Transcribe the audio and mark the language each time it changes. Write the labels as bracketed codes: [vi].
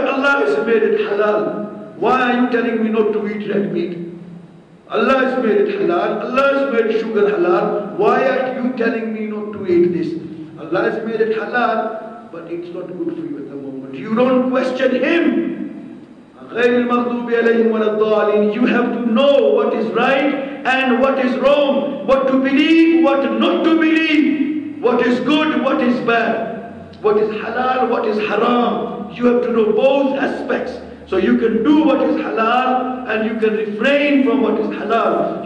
[en] Allah has made it halal. Why are you telling me not to eat red meat? Allah has made it halal. Allah has made sugar halal. Why are you telling me not to eat this? Allah has made it halal, but it's not good for you at the moment. You don't question Him. [ar] غير المغضوب عليهم ولا الضالين. [en] You have to know what is right and what is wrong. What to believe, what not to believe. What is good, what is bad. What is halal, what is haram. You have to know both aspects. So you can do what is halal and you can refrain from what is halal.